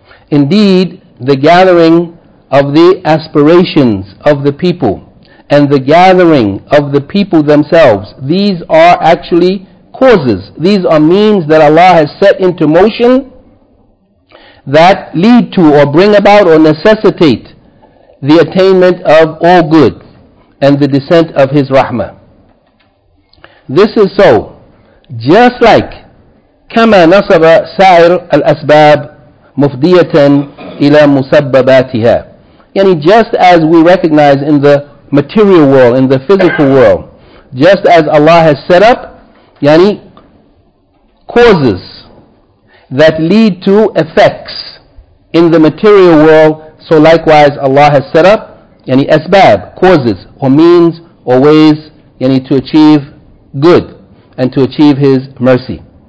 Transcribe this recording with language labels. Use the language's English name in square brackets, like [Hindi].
[English] Indeed, the gathering of the aspirations of the people and the gathering of the people themselves, these are actually causes, these are means that Allah has set into motion that lead to or bring about or necessitate the attainment of all good and the descent of His Rahmah. This is so, just like [Arabic] كَمَا نَصَبَ سَائِرُ الْأَسْبَابِ مُفْدِيَةً إِلَى مُسَبَّبَاتِهَا. [English] Yani just as we recognize in the material world, in the physical world, just as Allah has set up, yani, causes, that lead to effects in the material world. So likewise, Allah has set up any asbab, causes or means or ways to achieve good and to achieve His mercy.